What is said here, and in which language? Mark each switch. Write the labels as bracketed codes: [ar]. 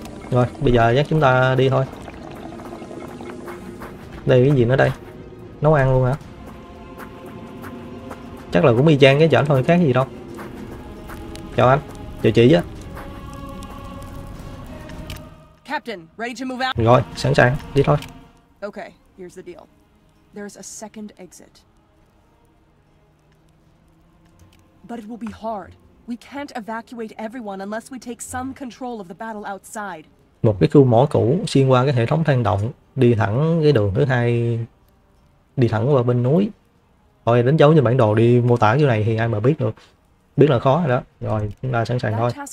[vi] Rồi, bây giờ dắt chúng ta đi thôi. Đây cái gì nữa đây? Nấu ăn luôn hả? Chắc là cũng y chang cái chảnh thôi, khác gì đâu. Chào anh, chào chị á. [en] Captain, ready to move out. [vi] Rồi, sẵn sàng, đi thôi. [en] Okay, here's the deal. There's a second exit. But it will be hard. We can't evacuate everyone unless we take some control of the battle outside. [vi] Một cái khu mỏ cũ xuyên qua cái hệ thống thang động, đi thẳng cái đường thứ hai, đi thẳng qua bên núi. Thôi đánh dấu trên bản đồ đi mô tả chỗ này thì ai mà biết được. Biết là khó rồi đó. Rồi, chúng ta sẵn sàng thôi.